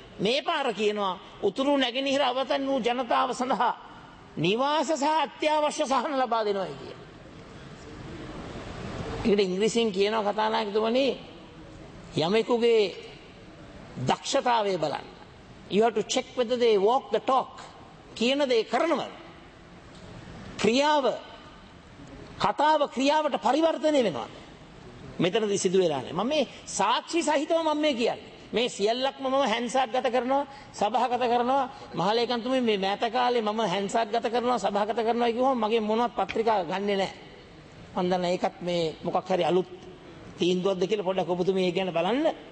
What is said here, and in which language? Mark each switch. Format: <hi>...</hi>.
<si>මේ පාර කියනවා උතුරු නැගෙනහිර අවතන් වූ ජනතාව සඳහා නිවාස සහ අත්‍යවශ්‍ය සහන ලබා දෙනවායි කියන. ඒකට ඉංග්‍රීසියෙන් කියනවා කතානායකතුමනි යමෙකුගේ දක්ෂතාවය බලන්න.</si> <en>You have to check whether they walk the talk.</en> <si>කියන දේ කරනවා. ක්‍රියාව කතාව ක්‍රියාවට පරිවර්තනය වෙනවා. මෙතනදි සිදු වෙලා නැහැ. මම මේ සාක්ෂි සහිතව මම මේ කියන්නේ. මේ සියල්ලක්ම මම හැන්සාත් ගත කරනවා සභාගත කරනවා මහලේකම්තුමේ මේ මෑත කාලේ මම හැන්සාත් ගත කරනවා සභාගත කරනවා කිව්වම මගේ මොනවත් පත්‍රිකා ගන්නෙ නැහැ. මම දන්නා ඒකත් මේ මොකක් හරි අලුත් තීන්දුවක්ද කියලා පොඩ්ඩක් ඔබතුමී ඒ ගැන බලන්න.</si>